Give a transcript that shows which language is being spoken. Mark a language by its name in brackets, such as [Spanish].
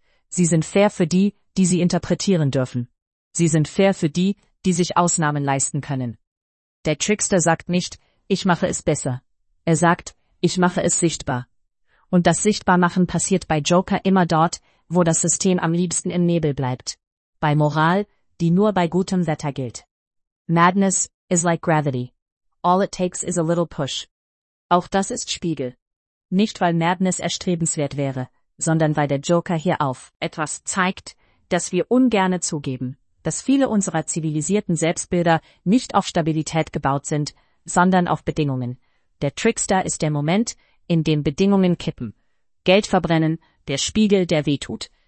[German] Sie sind fair für die, die sie interpretieren dürfen. Sie sind fair für die, die sich Ausnahmen leisten können. Der Trickster sagt nicht, ich mache es besser. Er sagt, ich mache es sichtbar. Und das Sichtbarmachen passiert bei Joker immer dort, wo das System am liebsten im Nebel bleibt. Bei Moral, die nur bei gutem Wetter gilt. [English] Madness is like gravity. All it takes is a little push. [German] Auch das ist Spiegel. Nicht weil Madness erstrebenswert wäre, sondern weil der Joker hier auf etwas zeigt, das wir ungerne zugeben, dass viele unserer zivilisierten Selbstbilder nicht auf Stabilität gebaut sind, sondern auf Bedingungen. Der Trickster ist der Moment, in dem Bedingungen kippen. Geld verbrennen, der Spiegel, der wehtut.